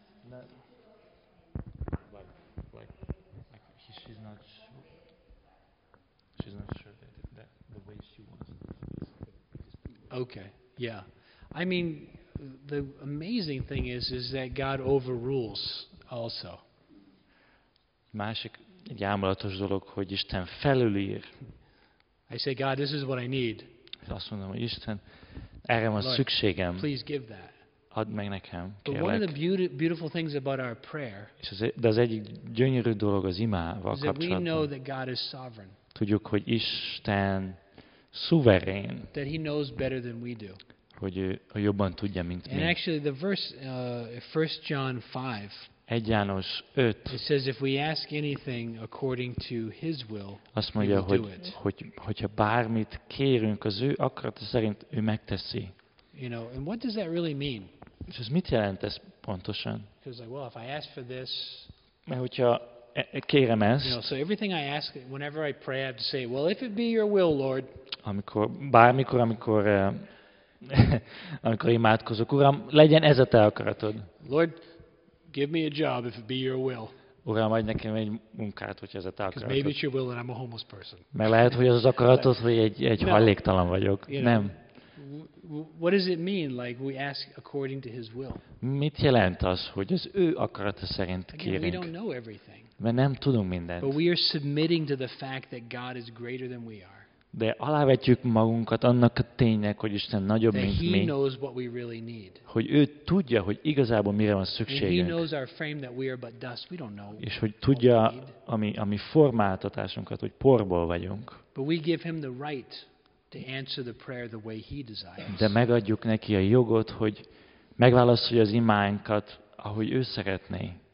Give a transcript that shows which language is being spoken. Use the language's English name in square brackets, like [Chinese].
[English] Not like she's not sure. She's not sure that the way she wants it. Okay, yeah. I mean, the amazing thing is that God overrules also. [Hungarian] Másik gyámolatos dolog, hogy Isten felülír. [English] I say, God, this is what I need. [Hungarian] Azt mondom, hogy Isten, erre van szükségem. [English] Please give that. [Hungarian] Add meg nekem, kérlek. [English] But one of the beautiful things about our prayer [Hungarian] az egyik gyönyörű dolog az imával kapcsolatban. [English] Is that we know that God is sovereign. [Hungarian] Tudjuk, hogy Isten szuverén. [English] That he knows better than we do. [Hungarian] Hogy ő jobban tudja, mint [English] and [Hungarian] mi. [English] Actually, the verse, 1 John 5. [Hungarian] 1 János 5. [English] It says, if we ask anything according to his will, [Hungarian] azt mondja, [English] he will do it. [Hungarian] Hogyha bármit kérünk az ő akarata szerint, ő megteszi. [English] You know, and what does that really mean? [Hungarian] És ez mit jelent ez pontosan? [English] Because like, well, if I ask for this, [Hungarian] mert hogyha kérem ezt, [English] you know, so everything I ask, whenever I pray, I have to say, well, if it be your will, Lord. [Hungarian] Amikor bármikor, amikor amikor imádkozok, Uram, legyen ez a te akaratod. [English] Lord, give me a job if it be your will. [Hungarian] Uram, adj nekem egy munkát, hogyha ez a te akaratod. [English] Maybe it's your will and I'm a homeless person. [Hungarian] Mert lehet, hogy az az akaratod, hogy egy no, hajléktalan vagyok. [English] You know, [Hungarian] nem. [English] What does it mean, like we ask according to his will? [Hungarian] Mit jelent az, hogy az ő akarata szerint kérünk? [English] We don't know everything. [Hungarian] Mert nem tudunk mindent. [English] But we are submitting to the fact that God is greater than we are. [Hungarian] De alávetjük magunkat annak a ténynek, hogy Isten nagyobb, mint [English] he [Hungarian] mi. [English] Knows what we really need. [Hungarian] Hogy ő tudja, hogy igazából mire van szükségünk. [English] He knows our frame that we are but dust. We don't know. [Hungarian] És hogy tudja ami formáltatásunkat, hogy porból vagyunk. [English] But we give him the right to answer the prayer the way he desires. [Hungarian] De megadjuk neki a jogot, hogy megválaszolja az imánkat, ahogy ő szeretné.